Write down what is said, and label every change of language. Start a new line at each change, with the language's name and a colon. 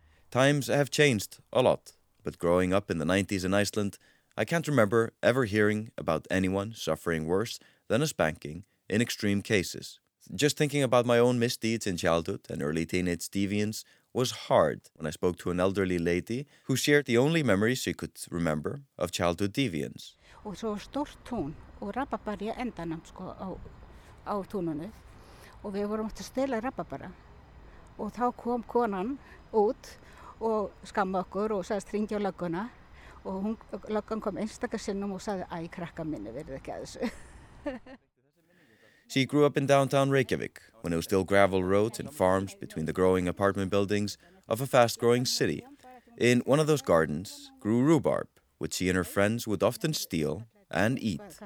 English: Times have changed a lot, but growing up in the 90s in Iceland, I can't remember ever hearing about anyone suffering worse than a spanking in extreme cases. Just thinking about my own misdeeds in childhood and early teenage deviance was hard when I spoke to an elderly lady who shared the only memory she could remember of childhood deviance.
Icelandic: Og svo stórt tún og rababar í endanum sko á túninu og við vorum að stela rababara og þá kom konan út og skamma okkur og sagði hringja á lögguna og hún löggan kom einstaka sinnum og sagði æ krakka mínu verið ekki að þessu.
English: She grew up in downtown Reykjavik, when it was still gravel roads and farms between the growing apartment buildings of a fast-growing city. In one of those gardens grew rhubarb, which she and her friends would often steal and eat.